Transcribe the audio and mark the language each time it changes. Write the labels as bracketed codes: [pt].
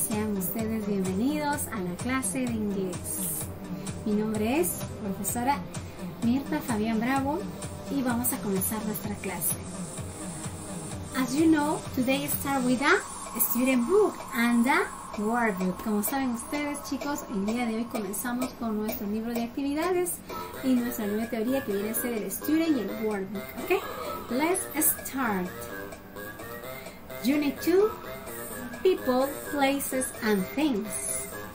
[es] Sean ustedes bienvenidos a la clase de inglés. Mi nombre es profesora Mirta Fabián Bravo y vamos a comenzar nuestra clase. [en] As you know, today start with a student book and a workbook. [es] Como saben ustedes, chicos, el día de hoy comenzamos con nuestro libro de actividades y nuestra nueva teoría que viene a ser el student y el workbook, ¿ok? [en] Let's start. Unit 2, People, Places and Things.